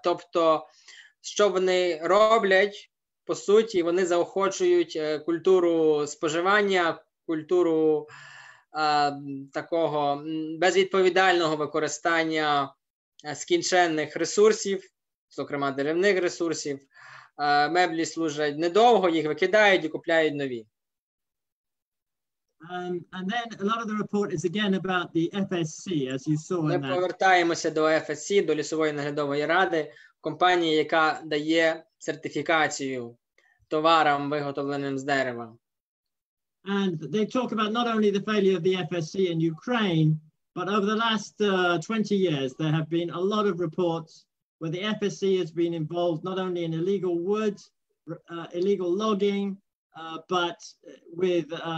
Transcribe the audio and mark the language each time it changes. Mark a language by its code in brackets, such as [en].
[uk] Тобто, що вони роблять, по суті, вони заохочують культуру споживання, культуру такого безвідповідального використання скінченних ресурсів, зокрема деревних ресурсів. Меблі служать недовго, їх викидають і купляють нові. [en] And then a lot of the report is again about the FSC, as you saw. [uk] Ми повертаємося до FSC, до лісової наглядової ради, компанії, яка дає сертифікацію товарам, виготовленим з дерева. [en] And they talk about not only the failure of the FSC in Ukraine, but over the last 20 years there have been a lot of reports where the FSC has been involved not only in illegal woods, illegal logging, but with